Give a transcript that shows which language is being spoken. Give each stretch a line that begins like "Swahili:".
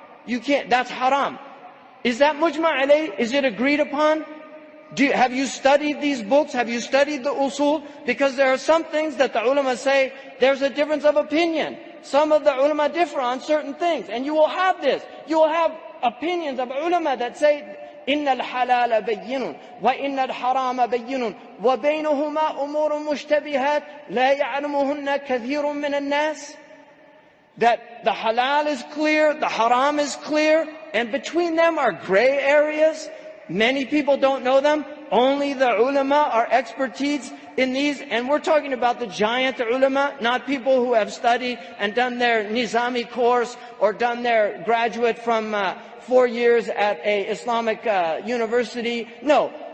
English: You can't, that's haram. Is that mujma alayh? Is it agreed upon? Have you studied these books? Have you studied the usul? Because there are some things that the ulama say, there's a difference of opinion. Some of the ulama differ on certain things. And you will have this. You will have opinions of ulama that say
Arabic: إن الحلال بين وإن الحرام بين وبينهما أمور مشتبهات لا يعلمهن كثير من الناس.
English: That the halal is clear, the haram is clear, and between them are gray areas. Many people don't know them. Only the ulama are expertise in these. And we're talking about the giant ulama, not people who have studied and done their Nizami course or done their graduate from 4 years at a Islamic university. No.